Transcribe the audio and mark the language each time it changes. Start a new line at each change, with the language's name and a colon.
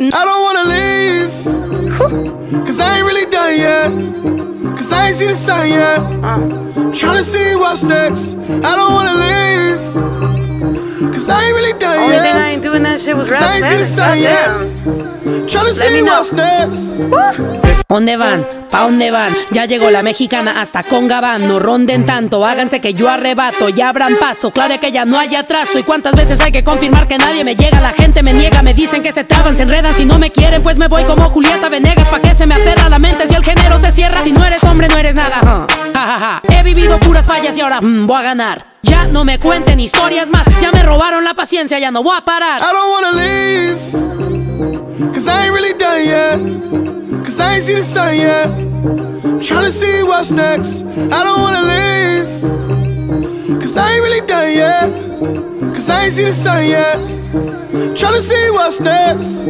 English: I don't wanna leave. Cause I ain't really done yet. Cause I ain't seen the sun yet. I'm tryna see what's next. I don't wanna leave. Cause I ain't really done only yet. Only thing I ain't doing that shit was rap. Cause I ain't seen the sun yet. Tryna wanna see what's next.
Spanish: ¿Dónde van? ¿Pa' dónde van? Ya llegó la mexicana hasta con Gabán. No ronden tanto, háganse que yo arrebato. Ya abran paso, clave que ya no hay atraso. ¿Y cuántas veces hay que confirmar que nadie me llega? La gente me niega, me dicen que se traban, se enredan. Si no me quieren, pues me voy como Julieta Venegas. ¿Pa' qué se me aterra la mente si el género se cierra? Si no eres hombre, no eres nada. Ja, ja, ja. He vivido puras fallas y ahora voy a ganar. Ya no me cuenten historias más. Ya me robaron la paciencia, ya no voy a parar.
English: I don't wanna leave, 'cause I ain't really done yet. 'Cause I ain't see the sun yet. I'm tryna see what's next. I don't wanna leave, 'cause I ain't really done yet. 'Cause I ain't see the sun yet. I'm tryna see what's next.